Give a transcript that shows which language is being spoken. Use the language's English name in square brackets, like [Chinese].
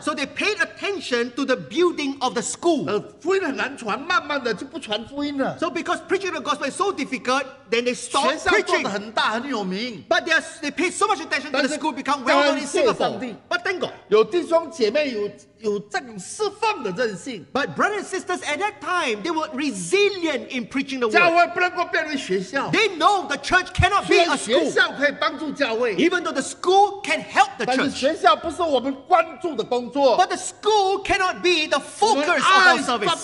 [English] So they paid attention to the building of the school。 [Chinese] 福音很难传，慢慢的就不传福音了。 [English] So because preaching the gospel is so difficult, then they stop preaching。 [Chinese] 学校做得很大，很有名。 [English] But they paid so much attention that the school become well known in Singapore。 But thank God， [Chinese] 有弟兄姐妹有这种释放的韧性。 [English] But brothers and sisters at that time they were resilient in preaching the word。 [Chinese] 教会不能够变成学校。 [English] They know the church cannot be a school。 [Chinese] 学校可以帮助教会。 [English] Even though the school can help the church。 [Chinese] 但是学校不是我们关注的工作。 [English] But the school cannot be the focus of our service。